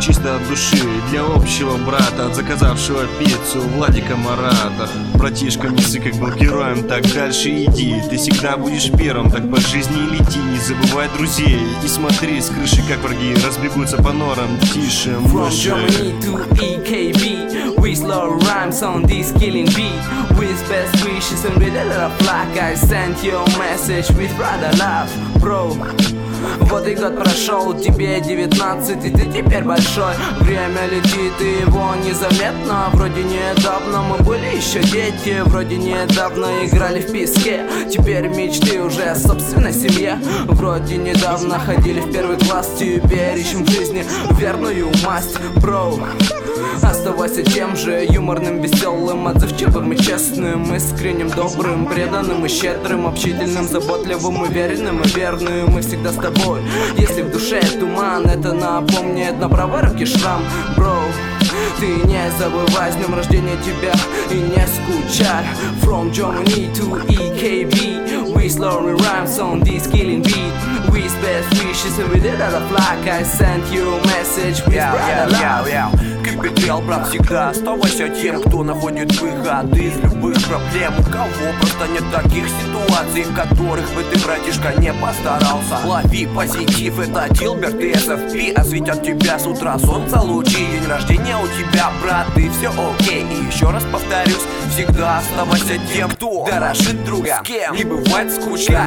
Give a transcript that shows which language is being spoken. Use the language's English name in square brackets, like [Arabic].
[Russian] Чисто от души, для общего брата, заказавшего пиццу Владика Марата. Братишка, не ссы, как был героем, так дальше иди. Ты всегда будешь первым, так по жизни и лети. Не забывай друзей и смотри с крыши, как враги разбегутся по норам. Тише, мыши. [English] From Germany to EKB, with slow rhymes on this killing beat, with best wishes and with a little flack, I sent your message with brother love, bro. [Russian] Вот и год прошел, тебе 19, и ты теперь большой. Время летит, и его незаметно. Вроде недавно мы были еще дети. Вроде недавно играли в писке. Теперь мечты уже о собственной семье. Вроде недавно ходили в первый класс. Теперь ищем в жизни верную масть, бро. Оставайся тем же юморным, веселым, отзывчивым и честным, искренним, добрым, преданным и щедрым, общительным, заботливым, уверенным и верным. Мы всегда с тобой, если в душе туман, это напомнит на правой руке шрам, бро. Ты не забывай, с днем рождения тебя, и не скучай. [English] From Germany to EKB, we slowly rhymes on this killing beat, with best wishes and with it out of luck, I sent you a message with brother love. [Russian] Кипятил, брат, всегда оставайся тем, кто находит выход из любых проблем. У кого просто нет таких ситуаций, в которых бы ты, братишка, не постарался. Лови позитив, это Дилберт и SFP. Осветят тебя с утра солнца лучи. День рождения у тебя, брат, ты все окей. И еще раз повторюсь, всегда оставайся тем, кто дорожит друга, с кем не бывает скучно.